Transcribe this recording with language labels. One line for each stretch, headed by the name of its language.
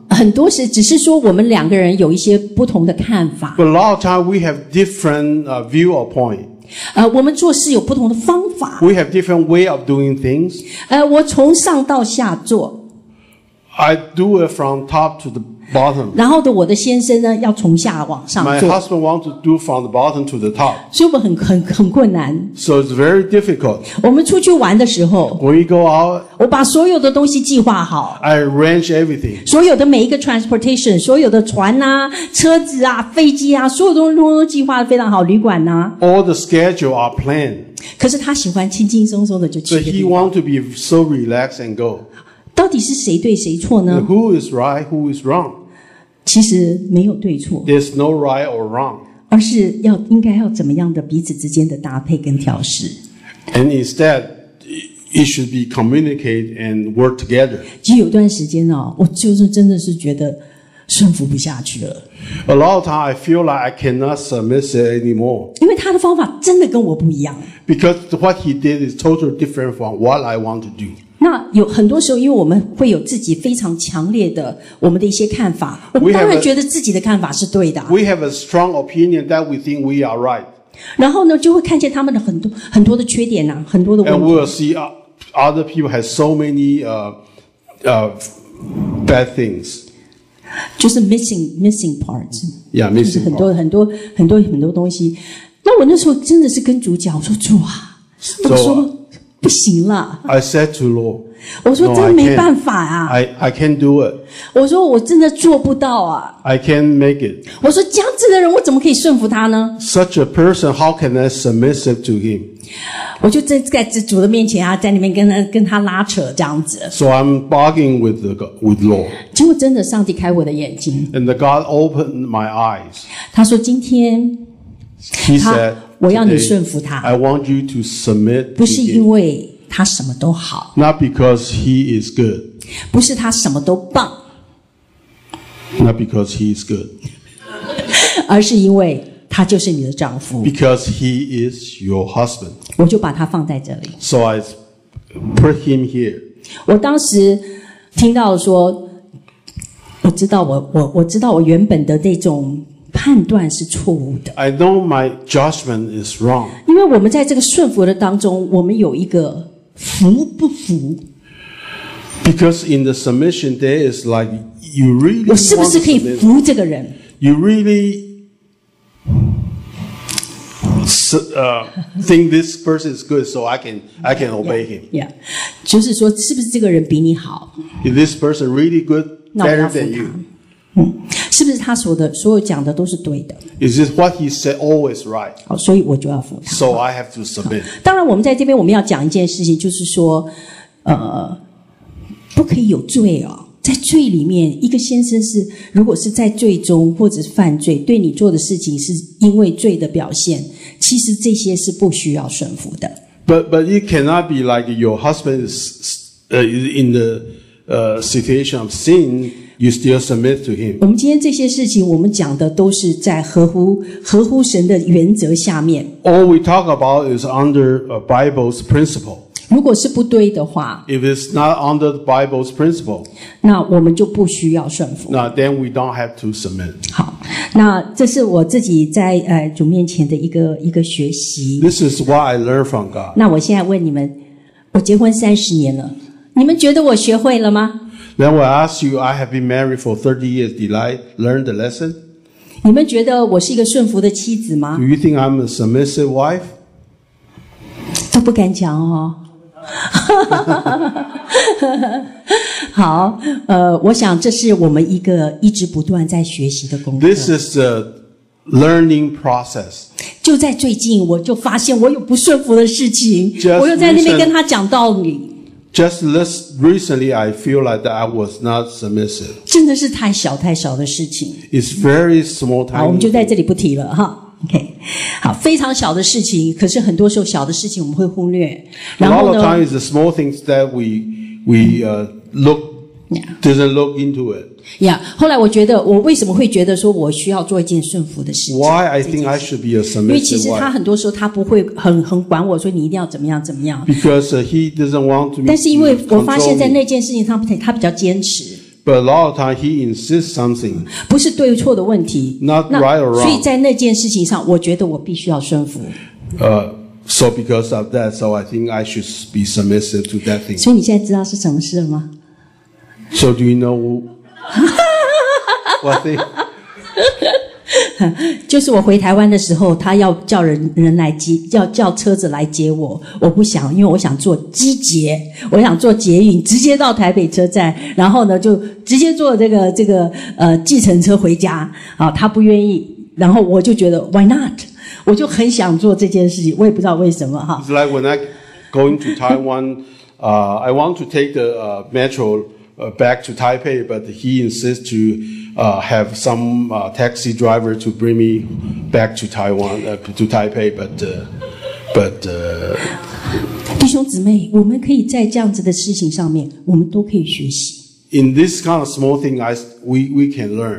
Chinese: 很多时只是说我们两个人有一些不同的看法。
English: But a lot of time we have different view or point.
Chinese: 我们做事有不同的方法。
English: We have different way of doing things.
Chinese: 我从上到下做。
English: I do it from top to the bottom.
Chinese: 然后的我的先生呢，要从下往上做。
English: My husband wants to do from the bottom to the top.
Chinese: 所以我们很困难。
English: So it's very difficult.
Chinese: 我们出去玩的时候。
English: When we go out.
Chinese: 我把所有的东西计划好。
English: I arrange everything.
Chinese: 所有的每一个 transportation, 所有的船啊、车子啊、飞机啊，所有东西都计划得非常好，旅馆啊。
English: All the schedule are planned.
Chinese: 可是他喜欢轻轻松松的就去。
English: But he wants to be so relaxed and go.
Chinese: 到底是谁对谁错呢？
English: Who is right, who is wrong?
Chinese: 其实没有对错。
English: There's no right or wrong.
Chinese: 而是要应该要怎么样的彼此之间的搭配跟调试。
English: And instead, it should be communicated and work together.
Chinese: 其实有段时间我就是真的是觉得顺服不下去了。
English: A lot of time, I feel like I cannot submit it anymore.
Chinese: 因为他的方法真的跟我不一样。
English: Because what he did is totally different from what I want to do.
Chinese: 那有很多时候，因为我们会有自己非常强烈的我们的一些看法，我们当然觉得自己的看法是对的。
English: We have a strong opinion that we think we are right.
Chinese: 然后呢，就会看见他们的很多的缺点很多的问题。
English: And we'll see other people have so many bad things. 就是 missing parts. Yeah, missing parts.
Chinese: 很多很多很多很多东西。那我那时候真的是跟主讲，我说主啊，我说。不行了。
English: I said to Lord,
Chinese: 我说真没办法啊。
English: I can't do it.
Chinese: 我说我真的做不到啊。
English: I can't make it.
Chinese: 我说这样子的人我怎么可以顺服他呢？
English: Such a person, how can I submissive to him?
Chinese: 我就在主的面前啊，在里面跟他拉扯这样子。
English: So I'm bargaining with Lord.
Chinese: 结果真的上帝开我的眼睛。
English: And the God opened my eyes.
Chinese: 他说今天。
English: He said,
Chinese: 我要你顺服他。
English: I want you to submit.
Chinese: 不是因为他什么都好。
English: Not because he is good.
Chinese: 不是他什么都棒。
English: Not because he is good.
Chinese: 而是因为他就是你的丈夫。
English: Because he is your husband.
Chinese: 我就把他放在这里。
English: So I put him here.
Chinese: 我当时听到说，我知道我知道我原本的那种。判断是错误的。
English: I know my judgment is wrong.
Chinese: 因为我们在这个顺服的当中，我们有一个服不服。
English: Because in the submission, there is like you really.
Chinese: 我是不是可以服这个人
English: ？You really think this person is good, so I can obey him.
Chinese: Yeah, 就是说，是不是这个人比你好
English: ？Is this person really good, better than you?
Chinese: 是不是他所有讲的都是对的
English: ？Is this what he said always right？
Chinese: 好，所以我就要服他。
English: So I have to submit。
Chinese: 当然，我们在这边我们要讲一件事情，就是说，不可以有罪哦。在罪里面，一个先生是如果是在罪中或者是犯罪，对你做的事情是因为罪的表现，其实这些是不需要顺服的。
English: But it cannot be like your husband is in the situation of sin. You still submit to him.
Chinese: 我们今天这些事情，我们讲的都是在合乎神的原则下面。
English: All we talk about is under a Bible's principle.
Chinese: 如果是不对的话
English: ，If it's not under the Bible's principle,
Chinese: 那我们就不需要顺服。
English: 那 then we don't have to submit.
Chinese: 好，那这是我自己在主面前的一个学习。
English: This is what I learned from God.
Chinese: 那我现在问你们，我结婚30年了，你们觉得我学会了吗？
English: Then I ask you, I have been married for 30 years. Did I learn the lesson?
Chinese: 你们觉得我是一个顺服的妻子吗？
English: Do you think I'm a submissive wife?
Chinese: 都不敢讲哦。好，我想这是我们一个一直不断在学习的功课。
English: This is the learning process.
Chinese: 就在最近，我就发现我有不顺服的事情，
English: Just、
Chinese: 我又在那边跟他讲道理。
English: Just recently, I feel like that I was not submissive.
Chinese: 真的是太小太小的事情。
English: It's very small time.
Chinese: 好，我们就在这里不提了哈。OK， 好，非常小的事情，可是很多时候小的事情我们会忽略。然后呢
English: ？A lot of times, the small things that doesn't look into it. Yeah.
Chinese: 后来我觉得，我为什么会觉得说我需要做一件顺服的事情
English: ？Why I think I should be a submissive wife?
Chinese: 因为其实他很多时候他不会很管我说你一定要怎么样怎么样。
English: Because he doesn't want to.
Chinese: 但是因为我发现在那件事情上，他比较坚持。
English: But a lot of time he insists something.
Chinese: 不是对错的问题。
English: Not right or wrong.
Chinese: 所以在那件事情上，我觉得我必须要顺服。
English: So because of that, so I think I should be submissive to that thing.
Chinese: 所以你现在知道是什么事了吗？
English: So do you know what thing?
Chinese: 就是我回台湾的时候，他要叫人来接，要叫车子来接我。我不想，因为我想坐机捷，我想坐捷运直接到台北车站，然后呢就直接坐这个计程车回家。啊，他不愿意，然后我就觉得
English: why not？
Chinese: 我就很想做这件事情，我也不知道为什么哈。
English: It's like when I going to Taiwan, I want to take the metro. Back to Taipei, but he insists to have some taxi driver to bring me back to Taiwan, to Taipei. But.
Chinese: 弟兄姊妹，我们可以在这样子的事情上面，我们都可以学习。
English: In this kind of small thing, we can learn.